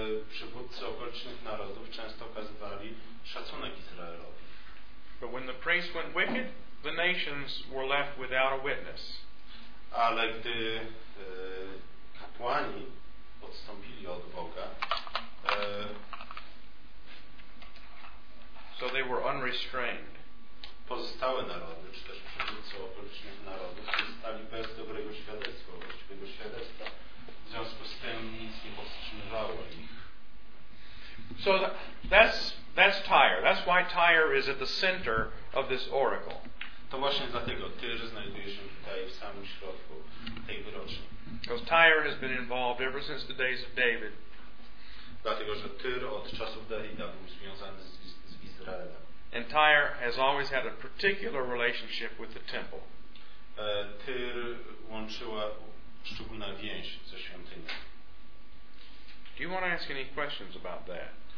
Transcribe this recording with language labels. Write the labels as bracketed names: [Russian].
[Polish] Przywódcy okolicznych narodów często okazywali szacunek Izraelowi. [English] But when the priests went wicked, the nations were left without a witness. [Polish] Ale gdy kapłani odstąpili od Boga, [English] so they were unrestrained. [Polish] Pozostałe narody, czy też przywódcy okolicznych narodów, pozostali bez dobrego świadectwa, właściwego świadectwa. W związku z tym nic nie powstrzymywało ich. [English] So that's Tyre. That's why Tyre is at the center of this oracle. [Polish] To właśnie dlatego Tyr znajduje się tutaj w samym środku tej wyroczni. [English] Because Tyre has been involved ever since the days of David. [Polish] Dlatego, że Tyr od czasów Dawida był związany z Izraelem. [English] And Tyre has always had a particular relationship with the temple. [Polish] Tyr łączyła szczególna więź ze świątynią. [English] Do you want to ask any questions about that?